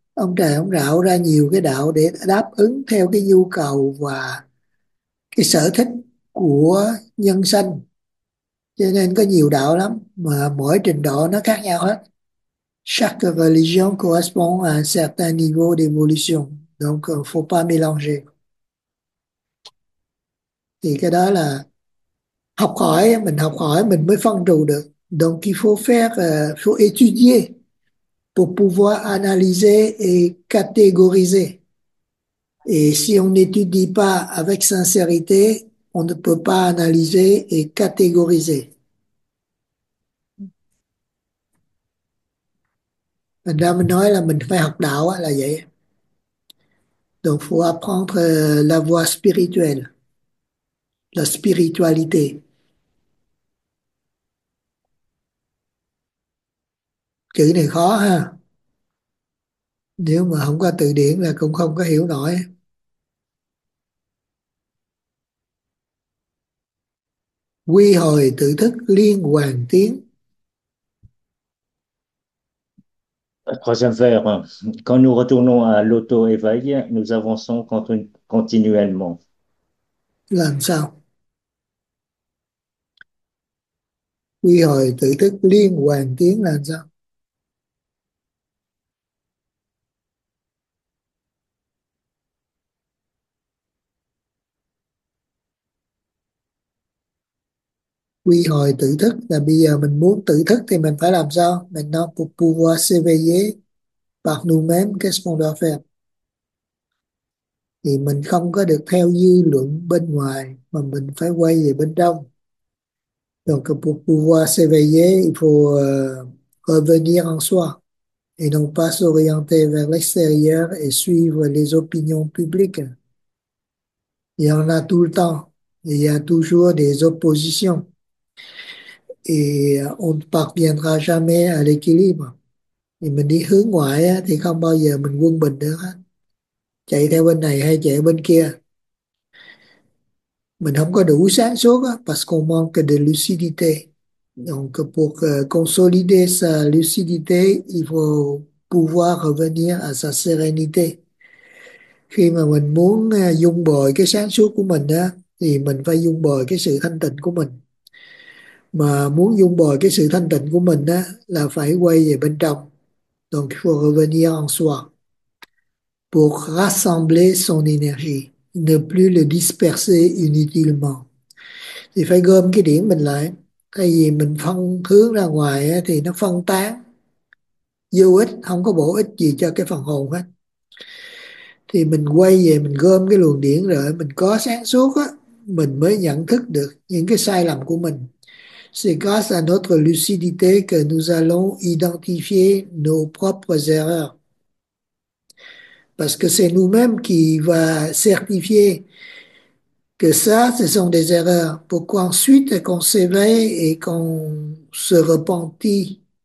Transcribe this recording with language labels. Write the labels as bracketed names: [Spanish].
[Vietnamese] Ông trời ông rạo ra nhiều cái đạo để đáp ứng theo cái nhu cầu và cái sở thích của nhân sanh. Cho nên có nhiều đạo lắm mà mỗi trình độ nó khác nhau hết. [French] Chaque religion correspond à un certain niveau d'évolution. Donc, faut pas mélanger. [Vietnamese] Thì cái đó là học hỏi mình mới phân trù được. [French] Donc, il faut faire, faut étudier pour pouvoir analyser et catégoriser. Et si on n'étudie pas avec sincérité, on ne peut pas analyser et catégoriser. [Vietnamese] Mình ra mình nói là mình phải học đạo là vậy. [French] Donc, faut apprendre la voie spirituelle, la spiritualité. [Vietnamese] Chữ này khó ha. Nếu mà không có từ điển là cũng không có hiểu nổi. Quy hồi tự thức liên hoàn tiếng. [French] Troisième vers, quand nous retournons à l'auto-éveil, nous avançons continuellement. [Vietnamese] Làm sao? Quy hồi tự thức liên hoàn tiếng là sao? Quy hồi tự thức là bây giờ mình muốn tự thức thì mình phải làm sao? Mình nó [French] pour pouvoir s'éveiller par nous-mêmes, qu'est-ce qu'on doit faire? [Vietnamese] thì mình không có được theo dư luận bên ngoài mà mình phải quay về bên trong. [French] Donc pour pouvoir s'éveiller, il faut revenir en soi et non pas s'orienter vers l'extérieur et suivre les opinions publiques. Il y en a tout le temps. Il y a toujours des oppositions. Et on ne parviendra jamais à l'équilibre. [Vietnamese] Et mình đi hướng ngoại á, thì không bao giờ mình quân bình được hết. Chạy theo bên này hay chạy bên kia. Mình không có đủ sáng suốt á, [French] parce qu'on manque de lucidité. Donc pour consolider sa lucidité, il faut pouvoir revenir à sa sérénité. [Vietnamese] Khi mà mình muốn dung bồi cái sáng suốt của mình á, thì mình phải dung bồi cái sự thanh tịnh của mình. Mà muốn dung bồi cái sự thanh tịnh của mình á, là phải quay về bên trong. [French] Donc il faut revenir en soi. Pour rassembler son énergie, ne plus le disperser inutilement. [Vietnamese] Thì phải gom cái điểm mình lại. Tại vì mình phân hướng ra ngoài á, thì nó phân tán. Vô ích, không có bổ ích gì cho cái phần hồn hết. Thì mình quay về, mình gom cái luồng điển rồi, mình có sáng suốt á, mình mới nhận thức được những cái sai lầm của mình. [French] C'est grâce à notre lucidité que nous allons identifier nos propres erreurs. Parce que c'est nous-mêmes qui va certifier que ça, ce sont des erreurs. Pourquoi ensuite qu'on s'éveille et qu'on se repentit?